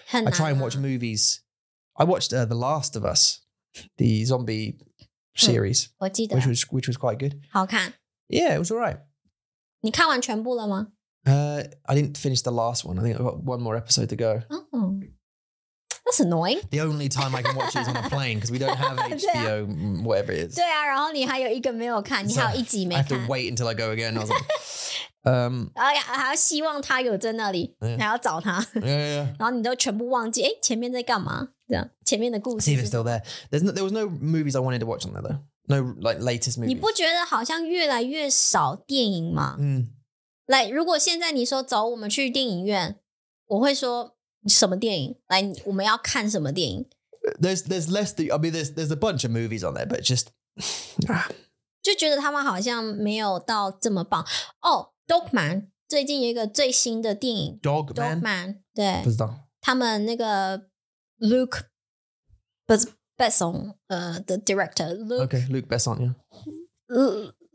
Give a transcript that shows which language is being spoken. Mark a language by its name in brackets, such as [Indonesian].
[English] I try and watch movies. I watched The Last of Us, the zombie series, which was quite good. [Chinese] 好看。 [English] Yeah, it was all right. [Chinese] 你看完全部了吗? [English] I didn't finish the last one. I think I've got one more episode to go. Oh, that's annoying. The only time I can watch it is on a plane because we don't have HBO, whatever it is. [Chinese] 对啊，然后你还有一个没有看，你还有一集没看。 [English] I have to wait until I go again. I was like, [Chinese] 还要希望他有在那里，还要找他。 [English] Yeah, yeah. [Chinese] 然后你都全部忘记，前面在干嘛？这样，前面的故事。 [English] See if it's still there. There was no movies I wanted to watch on there, though. No, like latest movie. [Chinese] 你不觉得好像越来越少电影吗？Like, 如果现在你说走，我们去电影院，我会说什么电影？ Like, 我们要看什么电影？ [English] There's less. I mean, there's a bunch of movies on there, but just [Chinese] 就觉得他们好像没有到这么棒。 Oh, Dogman 最近有一个最新的电影。 [English] Dogman [Chinese] 对，不知道他们那个 Luke 不是。 [English] Besson, the director. Luke Besson, yeah.